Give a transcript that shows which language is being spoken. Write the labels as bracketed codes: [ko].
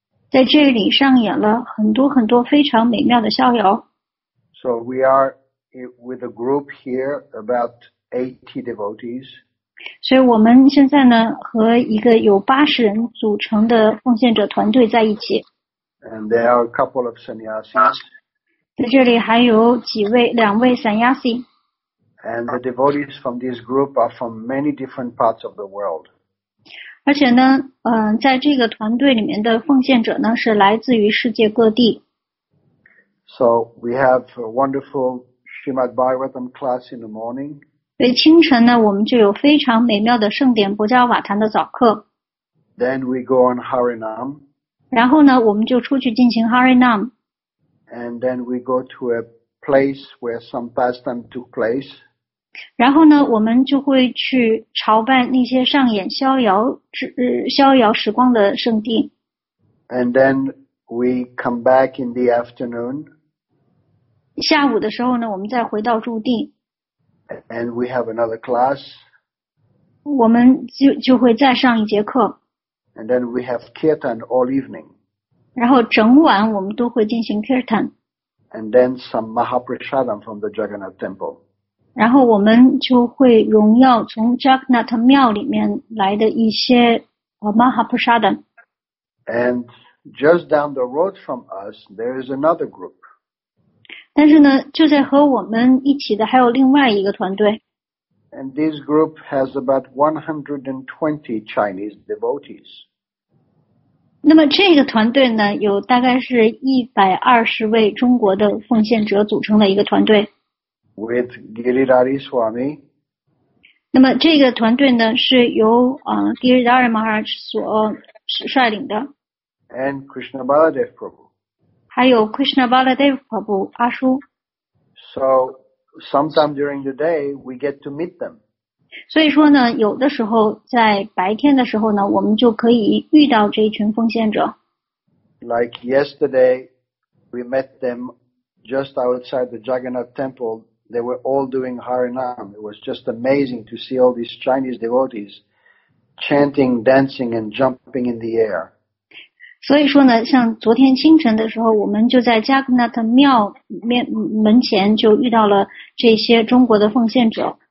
[zh] 在这里上演了很多很多非常美妙的逍遥。 [en] So we are with a group here, about 80 devotees. [zh] 所以我们现在呢，和一个有80人组成的奉献者团队在一起。 [en] And there are a couple of sannyasis. [zh] 在这里还有几位，两位 sannyasi. [en] And the devotees from this group are from many different parts of the world. [zh] 而且呢，在这个团队里面的奉献者呢，是来自于世界各地。 [en] So we have a wonderful Srimad Bhagavatam class in the morning. [zh] 对，清晨呢，我们就有非常美妙的圣典博迦瓦坛的早课。 [en] Then we go on Harinam. [zh] 然后呢，我们就出去进行 Harinam. [en] And then we go to a place where some pastime took place. [zh] 然后呢，我们就会去朝拜那些上演逍遥时光的圣地。 [en] And then we come back in the afternoon. [zh] 下午的时候呢，我们再回到驻地。 [en] And we have another class. [zh] 我们就会再上一节课。 [en] And then we have kirtan all evening. [zh] 然后整晚我们都会进行 kirtan. [en] And then some mahaprasadam from the Jagannath temple. [zh] 然后我们就会荣耀从 Jagannath 庙里面来的一些 mahaprasadam. [en] And just down the road from us, there is another group. [zh] 但是呢，就在和我们一起的还有另外一个团队。 [en] And this group has about 120 Chinese devotees. [zh] 那么这个团队呢，有大概是120位中国的奉献者组成的一个团队。 [en] With Giridhari Swami. [zh] 那么这个团队呢，是由Giridhari Maharaj 所率领的。 [en] And Krishna Baladev Prabhu. [zh] 还有 Krishna Baladev Prabhu 阿叔。 [en] So. Sometime during the day, we get to meet them. [zh] 所以说呢，有的时候在白天的时候呢，我们就可以遇到这一群奉献者。 [en] Like yesterday, we met them just outside the Jagannath temple. They were all doing Harinam. It was just amazing to see all these Chinese devotees chanting, dancing, and jumping in the air. [zh] 所以说呢，像昨天清晨的时候，我们就在 Jagannath 庙门前就遇到了这些中国的奉献者。